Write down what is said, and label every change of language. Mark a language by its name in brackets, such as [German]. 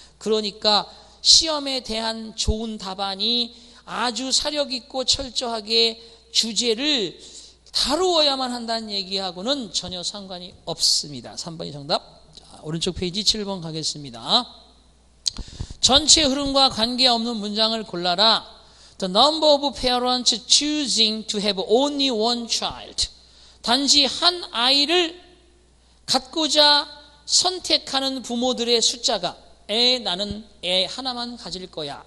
[Korean] 그러니까 시험에 대한 좋은 답안이 아주 사력 있고 철저하게 주제를 다루어야만 한다는 얘기하고는 전혀 상관이 없습니다. 3번이 정답. 자, 오른쪽 페이지 7번 가겠습니다. 전체 흐름과 관계없는 문장을 골라라. [English] The number of parents choosing to have only one child. [Korean] 단지 한 아이를 갖고자 선택하는 부모들의 숫자가 나는 애 하나만 가질 거야.